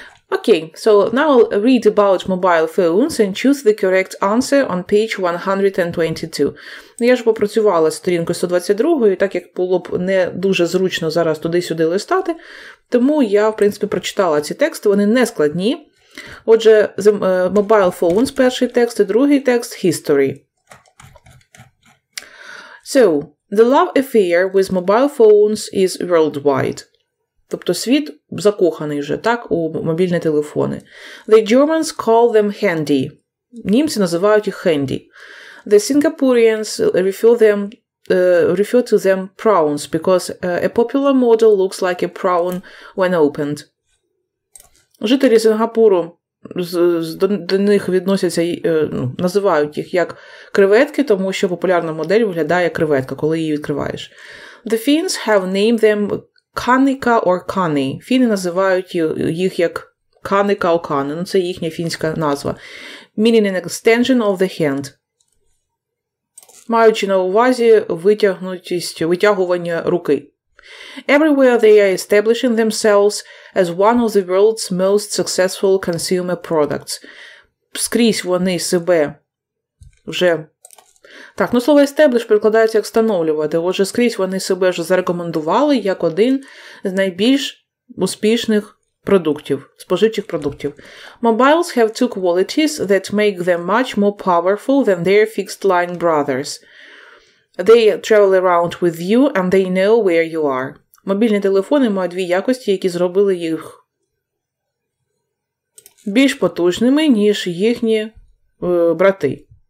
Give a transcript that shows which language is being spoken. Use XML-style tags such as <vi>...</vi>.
<en>Okay, so now I'll read about mobile phones and choose the correct answer on page 122.</en> <uk>Я ж попрацювала сторінку 122, так як було б не дуже зручно зараз туди-сюди листати, тому я, в принципі, прочитала ці тексти, вони не складні. Отже,</uk> <en>the mobile phones,</en> <uk>перший текст, і другий текст, history.</uk> <en>So, the love affair with mobile phones is worldwide.</en> <uk>Тобто світ закоханий вже, так, у мобільні телефони.</uk> <en>The Germans call them handy.</en> <uk>Німці називають їх handy.</uk> <en>The Singaporeans refer to them prawns, because a popular model looks like a prawn when opened.</en> <uk>Жителі Сингапуру до них відносяться, називають їх як креветки, тому що популярна модель виглядає як креветка, коли її відкриваєш.</uk> <en>The Finns have named them Каника or Кани.</en> <uk>Фіни називають їх як Каника or Кани. Ну, це їхня фінська назва.</uk> <en>Meaning an extension of the hand.</en> <uk>Маючи на увазі витягнутість, витягування руки.</uk> <en>Everywhere they are establishing themselves as one of the world's most successful consumer products.</en> <uk>Скрізь вони себе вже... Так, ну слово «establish» перекладається як «встановлювати». Отже, скрізь вони себе вже зарекомендували як один з найбільш успішних продуктів, споживчих продуктів.</uk> <en>Mobiles have two qualities that make them much more powerful than their fixed-line brothers. They travel around with you and they know where you are.</en> <uk>Мобільні телефони мають дві якості, які зробили їх більш потужними, ніж їхні брати.</uk>